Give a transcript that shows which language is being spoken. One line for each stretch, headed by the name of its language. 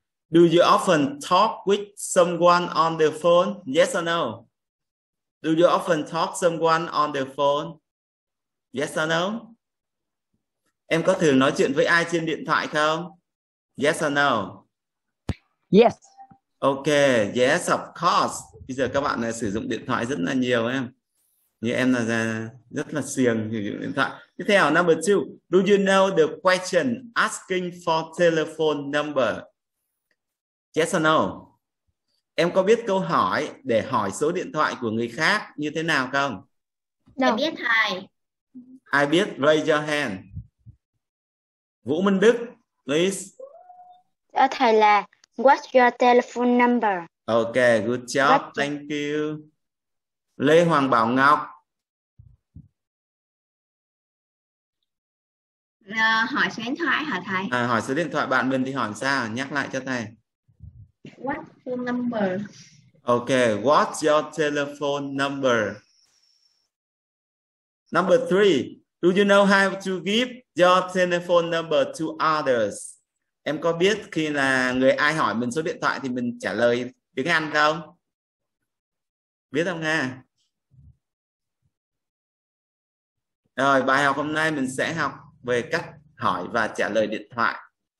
English: Do you often talk with someone on the phone? Yes or no? Do you often talk someone on the phone? Yes or no?
Vietnamese: Em có thường nói chuyện với ai trên điện thoại không?
English: Yes or no? Yes. Ok, yes, of course.
Vietnamese: Bây giờ các bạn này sử dụng điện thoại rất là nhiều em. Như em là rất là siêng sử dụng điện thoại. Tiếp theo, number two.
English: Do you know the question asking for telephone number? Yes or no?
Vietnamese: Em có biết câu hỏi để hỏi số điện thoại của người khác như thế nào không? No. Em biết thầy. Ai biết?
English: Raise your hand. Vũ Minh Đức, please.
Vietnamese: Cho thầy là
English: what's your telephone number? Okay, good job. What? Thank you. Lê Hoàng Bảo Ngọc.
Vietnamese: Hỏi số điện thoại hả thầy? À, hỏi số điện thoại bạn mình thì hỏi sao? Nhắc lại cho thầy.
English: What's your number? Okay, what's your telephone number? Number three. Do you know how to give your telephone number to others?
Vietnamese: Em có biết khi là người ai hỏi mình số điện thoại thì mình trả lời tiếng Anh không? Biết không nha? Rồi, bài học hôm nay mình sẽ học về cách hỏi và trả lời điện thoại.